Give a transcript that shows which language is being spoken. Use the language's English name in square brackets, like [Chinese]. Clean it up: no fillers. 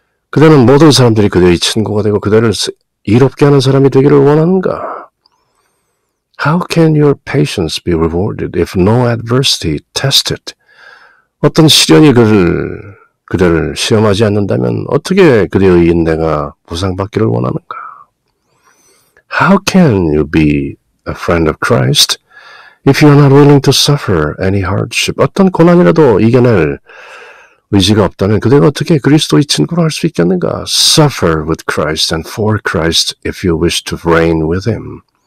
[Korean] 그대는 모든 사람들이 그대의 친구가 되고 그대를 이롭게 하는 사람이 되기를 원하는가? [English] How can your patience be rewarded if no adversity tested? [Korean] 어떤 시련이 그대를 시험하지 않는다면 어떻게 그대의 인내가 보상받기를 원하는가? [English] How can you be a friend of Christ if you are not willing to suffer any hardship? [Korean] 어떤 고난이라도 이겨낼 의지가 없다면 그대가 어떻게 그리스도의 친구로 할 수 있겠는가? [English] Suffer with Christ and for Christ if you wish to reign with him.